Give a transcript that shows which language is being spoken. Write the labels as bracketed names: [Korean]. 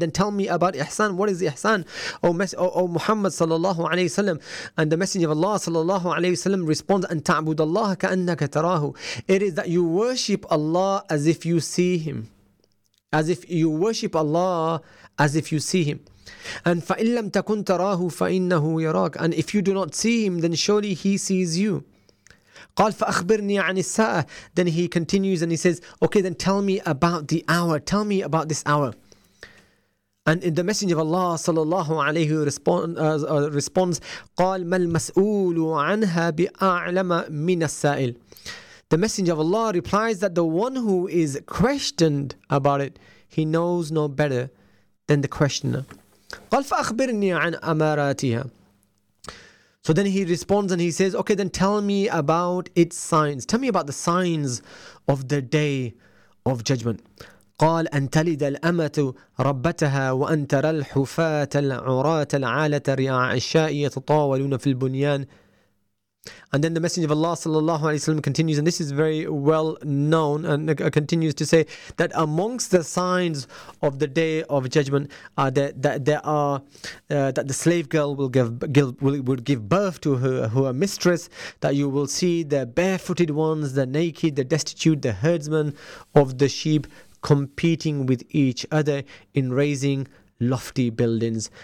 [English] Then tell me about إحسان. What is إحسان? O Muhammad sallallahu alayhi wa sallam. And the Messenger of Allah sallallahu alayhi wa sallam responds, [Arabic] أن تعبد الله كأنك تراه. [English] It is that you worship Allah as if you see Him. As if you worship Allah as if you see Him. [Arabic] And فإن لم تكن تراه فإنه يراك. [English] And if you do not see Him, then surely He sees you. [Arabic] قال فأخبرني عن الساعة. [English] Then he continues and he says, okay, then tell me about the hour. Tell me about this hour. And in the Messenger of Allah sallallahu alayhi responds, [Arabic] قال ما المسؤول عنها بأعلم من السائل. [English] The Messenger of Allah replies that the one who is questioned about it, he knows no better than the questioner. [Arabic] قال فأخبرني عن أماراتها. [English] So then he responds and he says, okay, then tell me about its signs. Tell me about the signs of the day of judgment. [Arabic] قال أن تلد الأمة ربتها وأن ترى الحفاة العراة العالة رعاء الشاء يتطاولون في البنيان. [English] And then the Messenger of Allah sallallahu alayhi wa sallam continues, and this is very well known, and continues to say that amongst the signs of the day of judgment are that the slave girl will give birth to her mistress, that you will see the barefooted ones, the naked, the destitute, the herdsmen of the sheep competing with each other in raising lofty buildings.